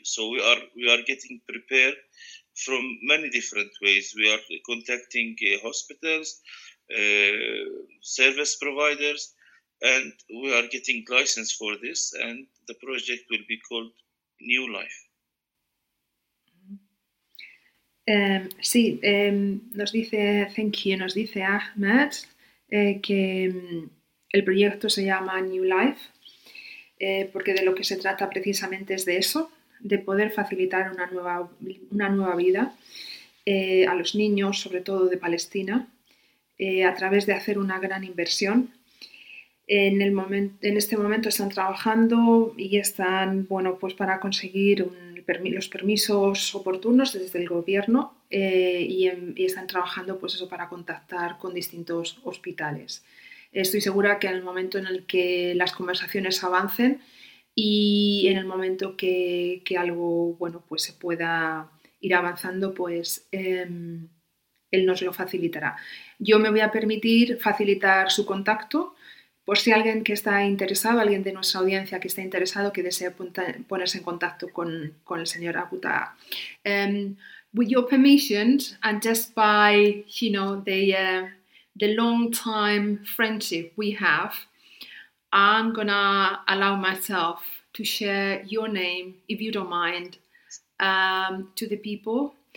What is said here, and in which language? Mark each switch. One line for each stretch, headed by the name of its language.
English: So we are getting prepared from many different ways. We are contacting hospitals, service providers, and we are getting license for this, and the project will be called New Life.
Spanish: Sí, nos dice,
English: thank you,
Spanish: nos dice Ahmed, que el proyecto se llama New Life, porque de lo que se trata precisamente es de eso, de poder facilitar una nueva vida a los niños, sobre todo de Palestina, a través de hacer una gran inversión. En este momento están trabajando y están, bueno, pues para conseguir el los permisos oportunos desde el gobierno y están trabajando pues eso, para contactar con distintos hospitales. Estoy segura que en el momento en el que las conversaciones avancen y en el momento que algo bueno, pues se pueda ir avanzando, pues él nos lo facilitará. Yo me voy a permitir facilitar su contacto por si alguien que está interesado, alguien de nuestra audiencia que está interesado, que desea ponerse en contacto con el señor Aguta.
English: With your permission, and just by, you know, the long time friendship we have, I'm gonna allow myself to share your name, if you don't mind, to the people.